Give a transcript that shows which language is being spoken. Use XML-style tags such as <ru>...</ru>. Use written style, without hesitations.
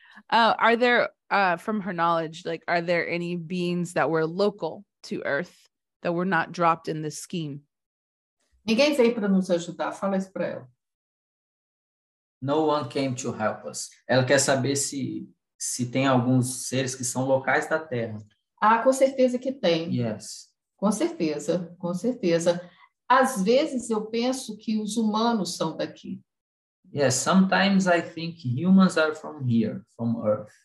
<en>Are there, from her knowledge, like, are there any beings that were local to Earth that were not dropped in this scheme?</en> <pt>Ninguém veio para nos ajudar. Fala isso para ela.</pt> <en>No one came to help us.</en> <pt>Ela quer saber se tem alguns seres que são locais da Terra. Ah, com certeza que tem.</pt> <en>Yes.</en> <pt>Com certeza, com certeza. Às vezes eu penso que os humanos são daqui.</pt> <en>Yes, sometimes I think humans are from here, from Earth.</en>